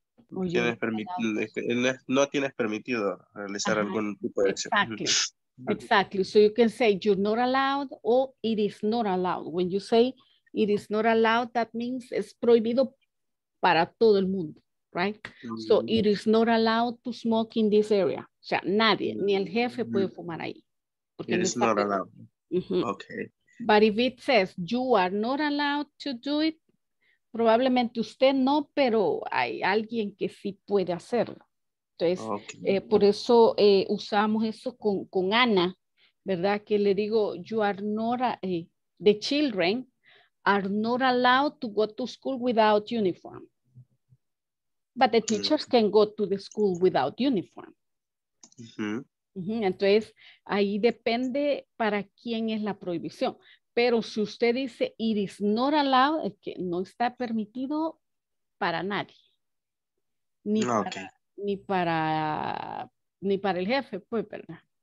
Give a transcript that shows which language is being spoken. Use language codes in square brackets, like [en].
[es] No tienes permitido realizar algún tipo de acción. [en] Exactly. Exactly. So you can say you're not allowed or it is not allowed. When you say it is not allowed, that means [es] es prohibido para todo el mundo, [en] right? So it is not allowed to smoke in this area. [es] O sea, nadie, ni el jefe puede fumar ahí. [en] It is not allowed. Okay. But if it says you are not allowed to do it, [es] probablemente usted no, pero hay alguien que sí puede hacerlo. Entonces, por eso usamos eso con Ana, ¿verdad? Que le digo, [en] you are not, the children are not allowed to go to school without uniform. But the teachers can go to the school without uniform. [es] Entonces, ahí depende para quién es la prohibición. Pero si usted dice, [en] it is not allowed, [es] es que no está permitido para nadie. Ni para... Okay. Ni para el jefe, pues, ¿verdad?